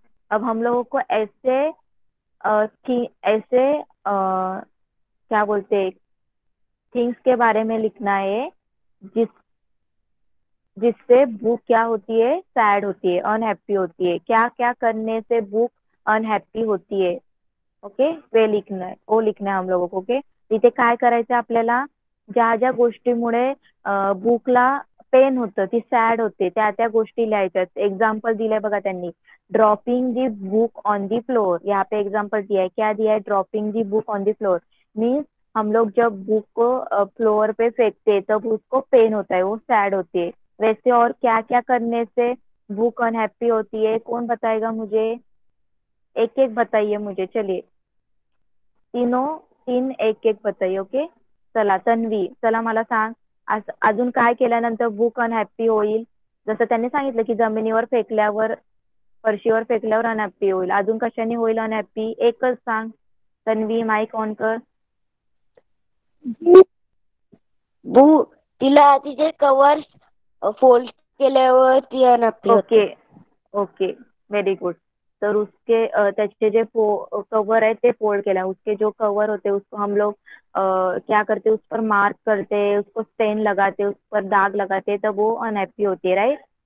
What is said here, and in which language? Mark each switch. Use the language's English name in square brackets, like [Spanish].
[Hindi] अब हम लोगों को ऐसे ऐसे क्या बोलते हैं, थिंग्स के बारे में लिखना है जिससे बुक क्या होती है, सैड होती है, अनहैप्पी होती है। क्या क्या करने से बुक अनहैप्पी होती है? ओके, वे लिखना है, वो लिखना है हम लोगों को। [Marathi] ओके, इथे काय करायचं आपल्याला, ज्या ज्या गोष्टीमुळे बुकला पेन होतं, ती सॅड होते, त्या त्या गोष्टी लिहायच्या। एक्झाम्पल दिलंय बघा त्यांनी, [English] Dropping the book on the floor. [Hindi] यहाँ पे एक्झाम्पल दिया है, क्या दिया है, [English] dropping the book on the floor [Hindi] means हम लोग जब बुक को फ्लोर पे फेंकते हैं तब उसको पेन होता है, वो सैड होती है। वैसे और क्या क्या करने से बुक अनहैप्पी होती है, कौन बताएगा मुझे? एक एक बताइए मुझे। चलिए तीनों तीन एक एक बताइए। [Marathi] ओके, चला तन्वी, चला मला सांग, अजून काय केल्यानंतर बुक अनहैप्पी होईल? जसं त्यांनी सांगितलं की जमिनीवर फेकल्यावर, फरशीवर फेकल्यावर अनहॅप्पी होईल, अजून कशाने होईल अनहॅप्पी? एकच सांग तन्वी, माईक ऑन कर। बु तिला तिचे कवर्स फोल्ड केल्यावर ती अनहॅपी होते. [Hindi] Okay okay, very good. तर उसके त्याचे जे कवर है [Marathi] ते फोल्ड केला, [Hindi] उसके जो कवर होते उसको हम लोग क्या करते, उस पर मार्क करते, उसको स्टेन लगाते, उस पर दाग लगाते, तब वो अनहैप्पी होती है, राइट?